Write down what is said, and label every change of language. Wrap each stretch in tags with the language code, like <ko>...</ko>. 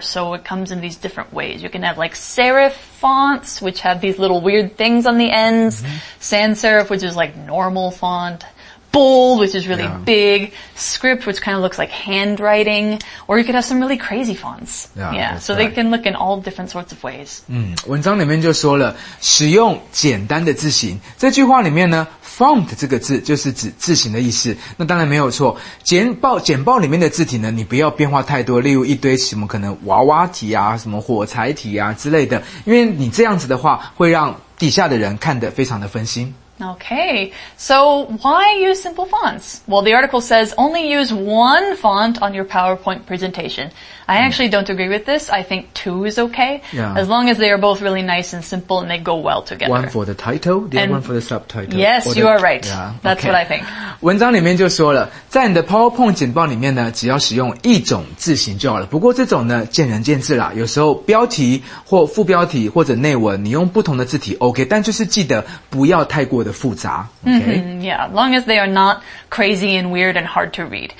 <en>So it comes in these different ways. You can have like serif fonts, which have these little weird things on the ends. Mm-hmm. Sans serif, which is like normal font. Bold, which is really big. Script, which kind of looks like handwriting. Or you could have some really crazy fonts. Yeah, so they can look in all different sorts of ways.</en> <zh>文章里面就说了，使用简单的字型。这句话里面呢 ,font 这个字就是指字型的意思。那当然没有错。简报里面的字体呢，你不要变化太多，例如一堆什么可能娃娃体啊，什么火柴体啊之类的。因为你这样子的话，会让底下的人看得非常的分心。</zh> <en>Okay, so why use simple fonts? Well, the article says only use one font on your PowerPoint presentation. I actually don't agree with this. I think two is okay. Yeah. As long as they are both really nice and simple and they go well together. One for the title, the other one for the subtitle. Yes, the, you are right. Yeah, okay. That's what I think.</en> <zh>文章里面就说了，在你的 PowerPoint 简报里面呢，只要使用一种字型就好了。不过这种呢，见仁见智啦。有时候标题或副标题或者内文，你用不同的字体 OK， 但就是记得不要太过的复杂。</zh> <en>Okay? Mm-hmm, yeah, long as they are not crazy and weird and hard to read.</en>